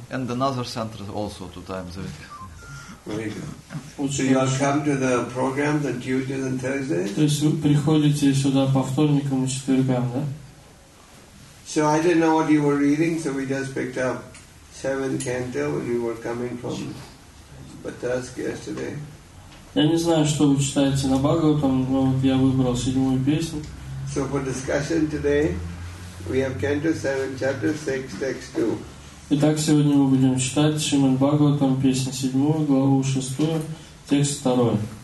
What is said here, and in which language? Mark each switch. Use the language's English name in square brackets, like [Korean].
[English] And another center also two times a week. So you all come to the program on Tuesdays and Thursdays? [Russian] То есть вы приходите сюда по вторникам и четвергам, да? [English] So I didn't know what you were reading, so we just picked up seventh canto when you were coming from Batask yesterday. [Russian] Я не знаю, что вы читаете на Бхагаватам, но вот я выбрал седьмую песню. [English] So for discussion today, we have canto 7, chapter 6, text 2. [Russian] Итак, сегодня мы будем читать Шримад Бхагаватам, песню 7, главу 6, текст 2.